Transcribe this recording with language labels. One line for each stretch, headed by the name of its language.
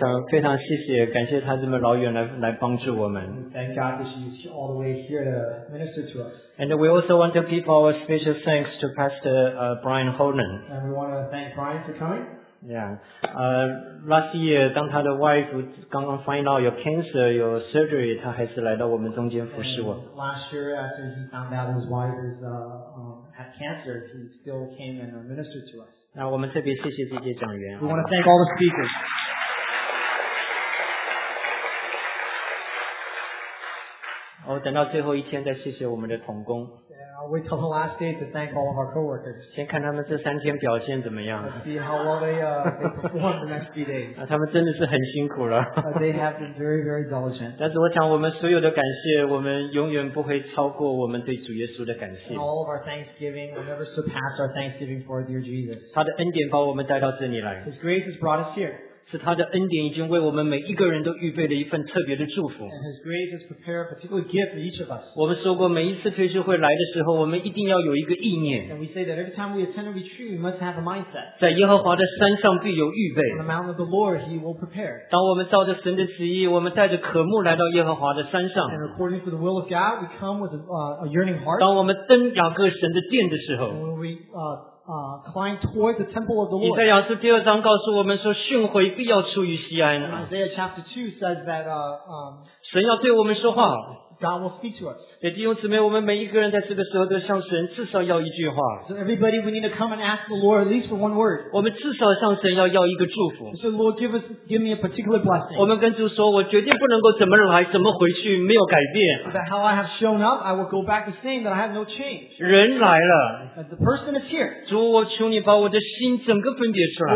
Chinese: 非常谢谢，感谢她这么老远来帮助我们。
English: Thank God that she's all the way here to minister to us. And we also want to give our special thanks to Pastor Brian Holden. And we want to thank Brian for coming. Yeah. Last year,
Chinese: 当他的 wife 刚刚
English: find out
Chinese: 有 cancer, 有 surgery, 他还是来到我们中间服侍我。
English: Last year, after he found out his wife had cancer, he still came and ministered to us.
Chinese: 那我们特别谢谢这些讲员。
English: We want to thank all the speakers.
Chinese: 等到最后一天再谢谢我们的同工。
English: I'll wait till the last day to thank all of our coworkers.
Chinese: 先看他们这三天表现怎么样。
English: Let's see how well they perform the next few days.
Chinese: 他们真的是很辛苦了。
English: They have been very, very diligent.
Chinese: 但是我想我们所有的感谢，我们永远不会超过我们对主耶稣的感谢。
English: All of our thanksgiving will never surpass our thanksgiving for our dear Jesus.
Chinese: 他的恩典把我们带到这里来。
English: His grace has brought us here.
Chinese: 是他的恩典已经为我们每一个人都预备了一份特别的祝福。
English: And his grace has prepared a particular gift for each of us.
Chinese: 我们说过每一次退休会来的时候我们一定要有一个意念。
English: And we say that every time we attend a retreat, we must have a mindset.
Chinese: 在耶和华的山上必有预备。
English: On the mountain of the Lord, he will prepare.
Chinese: 当我们照着神的旨意我们带着渴慕来到耶和华的山上。
English: And according to the will of God, we come with a yearning heart.
Chinese: 当我们登雅各神的殿的时候。
English: And when we,climb toward the temple of the Lord.
Chinese: 以赛亚书第二章告诉我们说，训诲必要出于锡安。
English: Isaiah chapter 2 says that,
Chinese: 神要对我们说话。
English: God will speak to us.
Chinese: 对弟兄姊妹，我们每一个人在这个时候都向神至少要一句话。
English: So everybody, we need to come and ask the Lord at least for one word.
Chinese: 我们至少向神要一个祝福。
English: So Lord, give me a particular blessing.
Chinese: 我们跟主说，我决定不能够怎么来怎么回去，没有改变。
English: That how I have shown up, I will go back the same. That I have no change.
Chinese: 人来了。
English: But the person is here.
Chinese: 主，我求你把我的心整个分别出来。